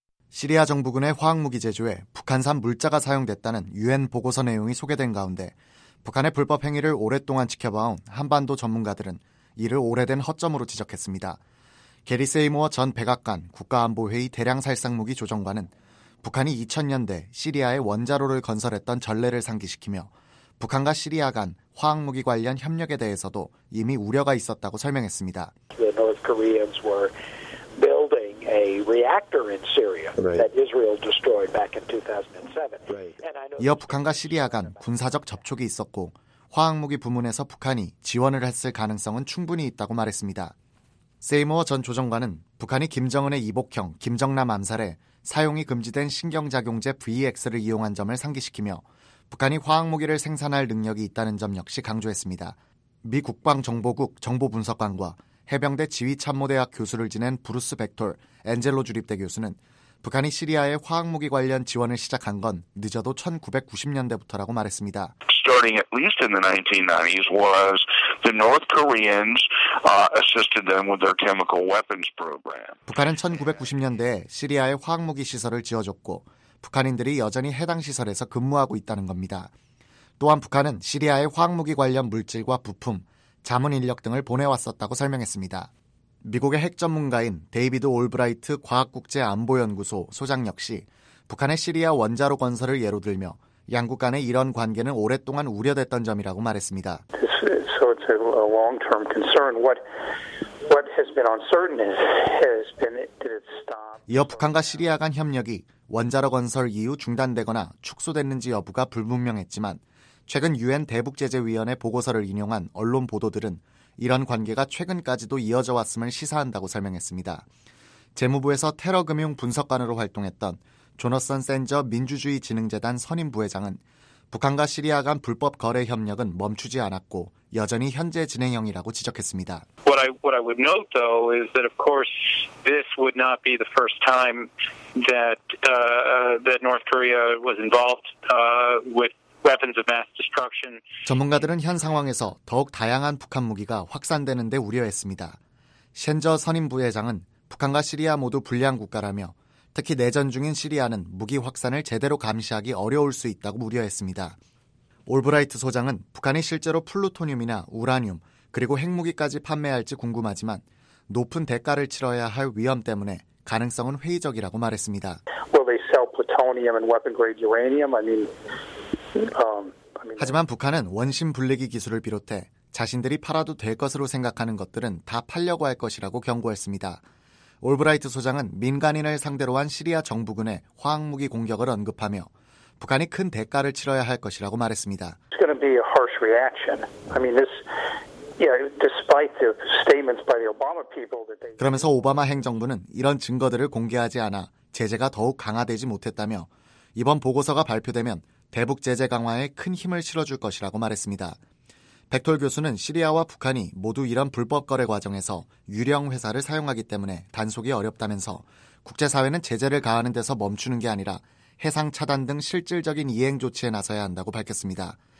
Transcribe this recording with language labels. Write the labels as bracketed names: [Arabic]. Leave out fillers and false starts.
[Korean] 시리아 정부군의 화학무기 제조에 북한산 물자가 사용됐다는 유엔 보고서 내용이 소개된 가운데 북한의 불법 행위를 오랫동안 지켜봐온 한반도 전문가들은 이를 오래된 허점으로 지적했습니다. 게리 세이모어 전 백악관 국가안보회의 대량살상무기 조정관은 북한이 2000년대 시리아에 원자로를 건설했던 전례를 상기시키며 북한과 시리아 간 화학무기 관련 협력에 대해서도 이미 우려가 있었다고 설명했습니다. [English] The North Koreans were building a reactor in Syria that Israel destroyed back in 2007. [Korean] 이어 북한과 시리아 간 군사적 접촉이 있었고 화학무기 부문에서 북한이 지원을 했을 가능성은 충분히 있다고 말했습니다. 세이모어 전 조정관은 북한이 김정은의 이복형 김정남 암살에 사용이 금지된 신경작용제 VX를 이용한 점을 상기시키며 북한이 화학무기를 생산할 능력이 있다는 점 역시 강조했습니다. 미 국방정보국 정보분석관과 해병대 지휘참모대학 교수를 지낸 브루스 벡톨 엔젤로 주립대 교수는 북한이 시리아에 화학무기 관련 지원을 시작한 건 늦어도 1990년대부터라고 말했습니다. [English] Starting at least in the 1990s was the North Koreans assisted them with their chemical weapons program. [Korean] 북한은 1990년대에 시리아에 화학무기 시설을 지어줬고 북한인들이 여전히 해당 시설에서 근무하고 있다는 겁니다. 또한 북한은 시리아에 화학무기 관련 물질과 부품, 자문 인력 등을 보내왔었다고 설명했습니다. 미국의 핵 전문가인 데이비드 올브라이트 과학국제안보연구소 소장 역시 북한의 시리아 원자로 건설을 예로 들며 양국 간의 이런 관계는 오랫동안 우려됐던 점이라고 말했습니다. [English] So it's a long-term concern. What has been uncertain has been did it stop? [Korean] 이어 북한과 시리아 간 협력이 원자로 건설 이후 중단되거나 축소됐는지 여부가 불분명했지만 최근 유엔 대북제재위원회 보고서를 인용한 언론 보도들은 이런 관계가 최근까지도 이어져 왔음을 시사한다고 설명했습니다. 재무부에서 테러금융분석관으로 활동했던 조너선 샌저 민주주의진흥재단 선임부회장은 북한과 시리아 간 불법 거래 협력은 멈추지 않았고 여전히 현재 진행형이라고 지적했습니다. [English] What I would note though is that of course this would not be the first time that that North Korea was involved with weapons of mass destruction. [Korean] 전문가들은 현 상황에서 더욱 다양한 북한 무기가 확산되는 데 우려했습니다. 샌저 선임부회장은 북한과 시리아 모두 불량 국가라며 특히 내전 중인 시리아는 무기 확산을 제대로 감시하기 어려울 수 있다고 우려했습니다. 올브라이트 소장은 북한이 실제로 플루토늄이나 우라늄 그리고 핵무기까지 판매할지 궁금하지만 높은 대가를 치러야 할 위험 때문에 가능성은 회의적이라고 말했습니다. [English] Well, they sell plutonium and weapon-grade uranium. I mean, [Korean] 하지만 북한은 원심 분리기 기술을 비롯해 자신들이 팔아도 될 것으로 생각하는 것들은 다 팔려고 할 것이라고 경고했습니다. 올브라이트 소장은 민간인을 상대로 한 시리아 정부군의 화학무기 공격을 언급하며 북한이 큰 대가를 치러야 할 것이라고 말했습니다. [English] It's going to be a harsh reaction. I mean, this, you know, despite the statements by the Obama people that they [Korean] 그러면서 오바마 행정부는 이런 증거들을 공개하지 않아 제재가 더욱 강화되지 못했다며 이번 보고서가 발표되면 대북 제재 강화에 큰 힘을 실어줄 것이라고 말했습니다. 백톨 교수는 시리아와 북한이 모두 이런 불법 거래 과정에서 유령 회사를 사용하기 때문에 단속이 어렵다면서 국제사회는 제재를 가하는 데서 멈추는 게 아니라 해상 차단 등 실질적인 이행 조치에 나서야 한다고 밝혔습니다.